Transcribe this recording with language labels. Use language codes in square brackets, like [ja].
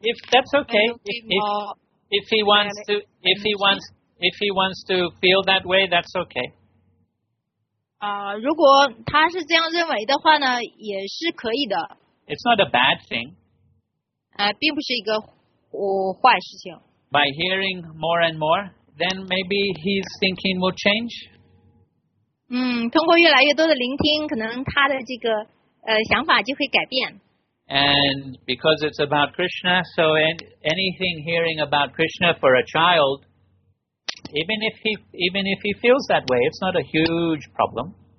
[en] if that's okay, if he wants to feel that way, that's okay. [zh] 如果他是这样认为的话呢，也是可以的。 [en] It's not a bad thing. [zh] 并不是一个坏事情。 [en] By hearing more and more, then maybe his thinking will change. [zh] 通过越来越多的聆听，可能他的这个想法就会改变。 [en] And because it's about Krishna, so anything hearing about Krishna for a child. Even if he feels that way, it's not a huge problem.